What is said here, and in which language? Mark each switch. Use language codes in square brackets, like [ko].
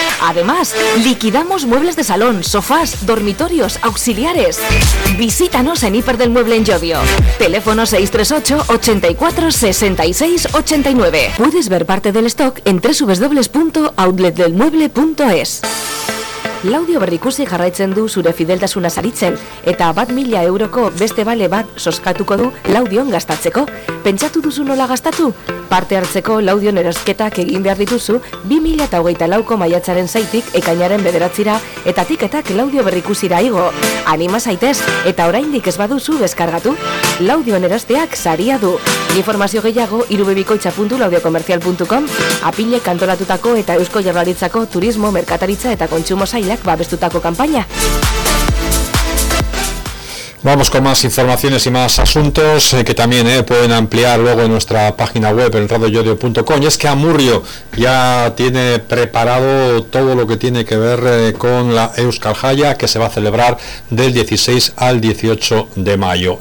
[es] Además, liquidamos muebles de salón, sofás, dormitorios, auxiliares. Visítanos en Hiper del Mueble en Llodio. Teléfono 638-84-6689. Puedes ver parte del stock en www.outletdelmueble.es. [eu] Laudio berrikusi jarraitzen du zure fideltasuna saritzen, eta bat mila euroko beste bale bat soskatuko du Laudion gastatzeko. Pentsatu duzu nola gastatu? Parte hartzeko Laudion erosketak egin behar dituzu 2024ko maiatzaren 6tik ekainaren 9ra eta tiketak Laudio berrikusira igo. Anima zaitez, eta oraindik ez baduzu deskargatu? Laudion erosteak saria du. Informazio gehiago irubebikoitza.laudiokomerzial.com. Apilek antolatutako eta Eusko Jaurlaritzako turismo, merkataritza eta kontsumo sailak babestutako kanpaina. [es] Vamos con más informaciones y más asuntos que también pueden ampliar luego en nuestra página web, en radioyodio.com. Y es que Amurrio ya tiene preparado todo lo que tiene que ver con la Euskal Jaya, que se va a celebrar del 16 al 18 de mayo.